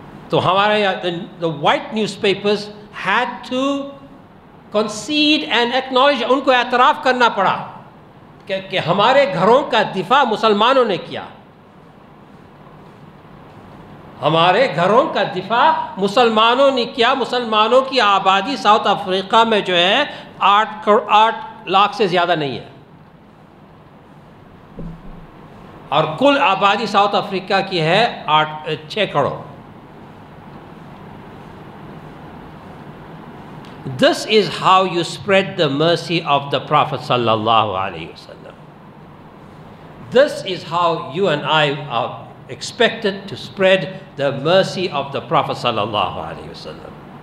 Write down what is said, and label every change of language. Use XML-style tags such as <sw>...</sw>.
<ur>تو ہمارے</ur> <en>the white news papers had to consider and acknowledge,</en> <ur>ان کو اعتراف کرنا پڑا کہ ہمارے گھروں کا دفاع مسلمانوں نے کیا, ہمارے گھروں کا دفاع مسلمانوں نے کیا. مسلمانوں کی آبادی ساؤتھ افریقہ میں جو ہے 8 لاکھ سے زیادہ نہیں ہے, اور کل آبادی ساؤتھ افریقہ کی ہے 6 کروڑ.</ur> <en>This is how you spread the mercy of the prophet صلی اللہ علیہ وسلم. This is how you and I expected to spread the mercy of the Prophet sallallahu alaihi wasallam.</en>